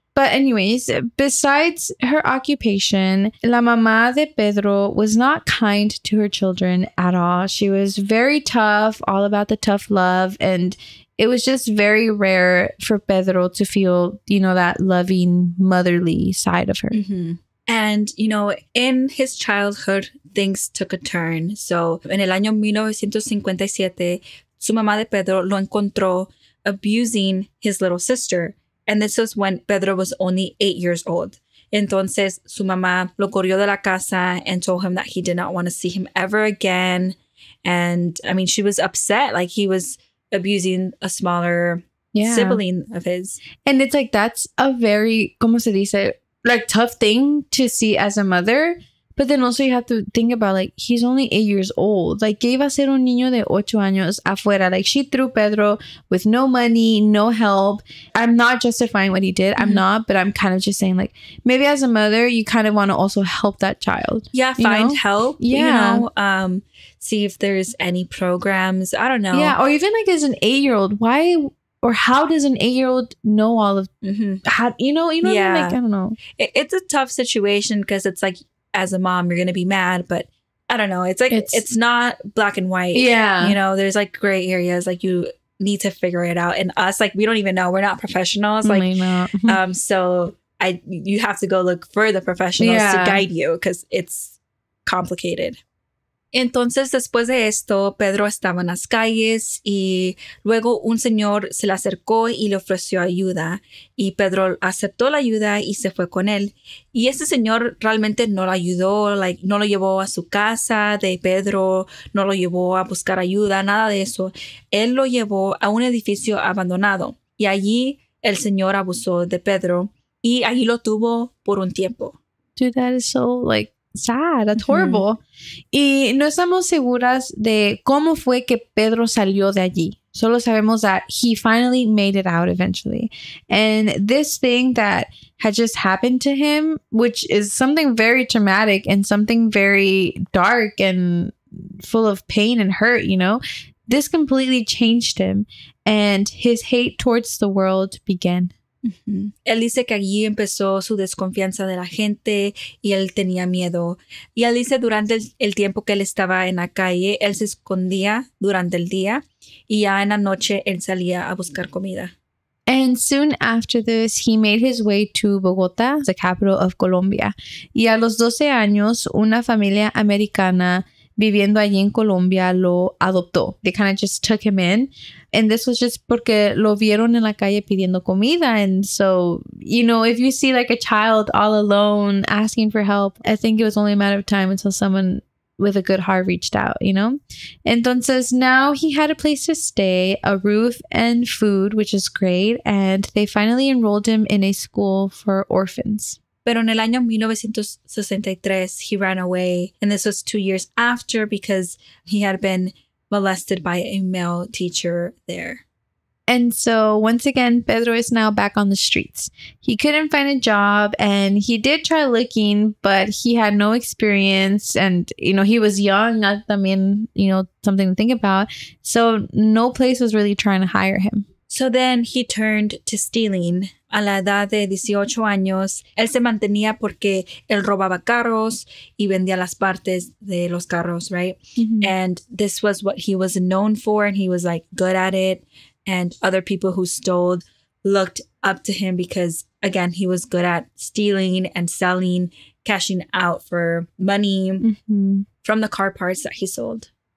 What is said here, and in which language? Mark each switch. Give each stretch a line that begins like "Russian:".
English: But anyways, besides her occupation,
Spanish: la mamá de Pedro
English: was not kind to her children at all. She was very tough, all about the tough love. And it was just very rare for Pedro to feel, you know, that loving, motherly side of her. Mm-hmm. And, you know, in his childhood, things took a turn.
Spanish: So, en el año 1957, su mamá de Pedro lo encontró
English: abusing his little sister. And this was when Pedro was only 8 years old.
Spanish: Entonces, su mamá lo corrió de la casa
English: and told him that he did not want to see him ever again. And, I mean, she was upset. Like, he was abusing a smaller sibling of his. And it's like, that's a very,
Spanish: como se dice,
English: like, tough thing to see as a mother. But then also you have to think about, like, he's only 8 years old.
Spanish: Like, que iba a ser un niño de 8 años afuera?
English: Like, she threw Pedro with no money, no help. I'm not justifying what he did. Mm-hmm. I'm not. But I'm kind of just saying, like, maybe as a mother, you kind of want to also help that child. Yeah, find help. Yeah. You know, see if there's any programs. I don't know. Yeah, or even, like, as an eight-year-old, why... Or how does an eight-year-old know all of... Mm-hmm. How, you know what I mean? Like, I don't know. It's a tough situation because it's, like... As a mom, you're going to be mad, but I don't know. It's like, it's not black and white. Yeah. You know, there's like gray areas, like you need to figure it out. And us, like, we don't even know. We're not professionals. Like, you have to go look for the professionals to guide you because it's complicated.
Spanish: Entonces, después de esto, Pedro estaba en las calles y luego un señor se le acercó y le ofreció ayuda. Y Pedro aceptó la ayuda y se fue con él. Y ese señor realmente no lo ayudó, like, no lo llevó a su casa de Pedro, no lo llevó a buscar ayuda, nada de eso. Él lo llevó a un edificio abandonado y allí el señor abusó de Pedro y allí lo tuvo por un tiempo.
English: Dude, that is so, like, sad. That's horrible.
Spanish: Y no estamos seguras de cómo fue que Pedro salió de allí. Solo sabemos
English: that he finally made it out eventually. And this thing that had just happened to him, which is something very traumatic and something very dark and full of pain and hurt, you know, this completely changed him. And his hate towards the world began. Mm-hmm.
Spanish: Él dice que allí empezó su desconfianza de la gente y él tenía miedo. Y él dice durante el tiempo que él estaba en la calle, él se escondía durante el día y ya en la noche él salía a buscar comida.
English: And soon after this, he made his way to Bogotá, the capital of Colombia.
Spanish: Y a los 12 años, una familia americana viviendo allí en Colombia lo adoptó.
English: They kind of just took him in. And this was just
Spanish: porque lo vieron en la calle pidiendo comida.
English: And so, you know, if you see like a child all alone asking for help, I think it was only a matter of time until someone with a good heart reached out, you know? Entonces, now he had a place to stay, a roof and food, which is great. And they finally enrolled him in a school for orphans.
Spanish: Pero en el año 1963,
English: he ran away. And this was 2 years after because he had been molested by a male teacher there. And so once again, Pedro is now back on the streets. He couldn't find a job and he did try looking, but he had no experience. And, you know, he was young. I mean, you know, something to think about. So no place was really trying to hire him. So then he turned to stealing.
Spanish: A la edad de 18 años, él se mantenía porque él robaba carros y vendía las partes de los carros, right? Mm-hmm.
English: And this was what he was known for, and he was like good at it. And other people who stole looked up to him because, again, he was good at stealing and selling, cashing out for money from the car parts that he sold.